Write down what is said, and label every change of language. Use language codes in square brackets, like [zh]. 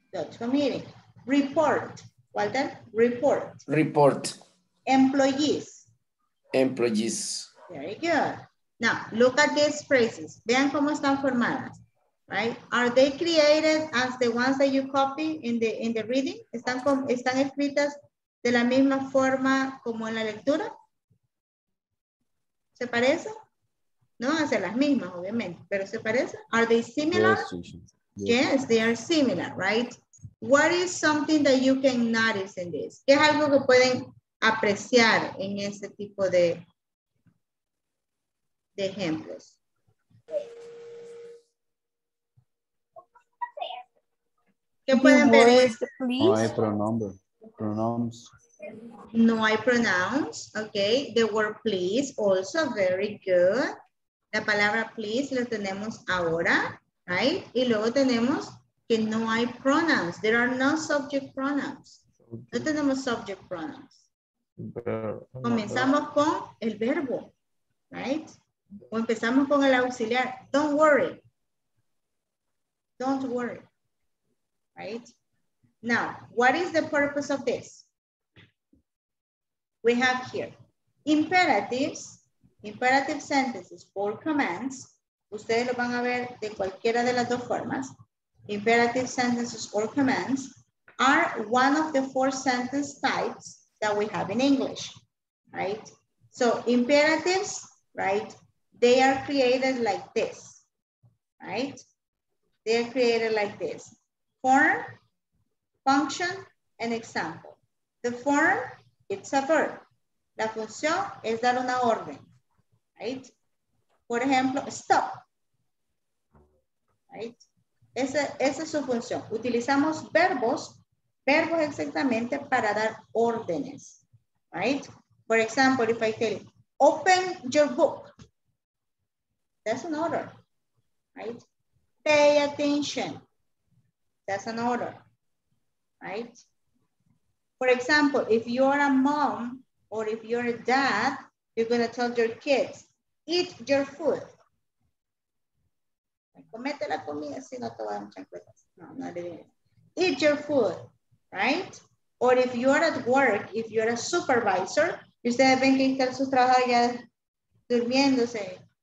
[en] Go to a meeting. Report, Walter, report. Report. Employees. Employees. Very good. Now, look at these phrases. [es] Vean cómo están formadas, [en] right? Are they created as the ones that you copy in the reading? [es] ¿Están escritas de la misma forma como en la lectura? ¿Se parece? No, hacer las mismas, obviamente. ¿Pero se parece? [en] Are they similar? Yes. Yes, they are similar, right? What is something that you can notice in this? [es] ¿Qué es algo que pueden apreciar en este tipo de ejemplos? ¿Qué pueden ver? No hay pronombres. No hay [en] pronouns, okay. The word please, also very good. [es] La palabra please la tenemos ahora, right? Y luego tenemos que no hay pronouns. [en] There are no subject pronouns. [es] No tenemos [en] subject pronouns. [es] Comenzamos con el verbo, right? O empezamos con el auxiliar. [en] Don't worry. Don't worry. [es] Right? [en] Now, what is the purpose of this? We have here imperatives, imperative sentences or commands. [es] Ustedes lo van a ver de cualquiera de las dos formas. [en] Imperative sentences or commands are one of the four sentence types that we have in English, right? So imperatives, right? They are created like this, right? They are created like this. Form, function, and example. The form, it's a verb. [es] La función es dar una orden, right? Por ejemplo, stop, right? Esa es su función. Utilizamos verbos exactamente para dar órdenes, right? [en] For example, if I tell, open your book. That's an order, right? Pay attention. That's an order, right? For example, if you're a mom or if you're a dad, you're gonna tell your kids, eat your food. [es] Comete la comida, si no te voy a dar chancletas. No, no le digo. [en] Eat your food, [es] right? [en] Or if you're at work, if you're a supervisor, [es] ustedes ven que están sus trabajadores ya durmiéndose.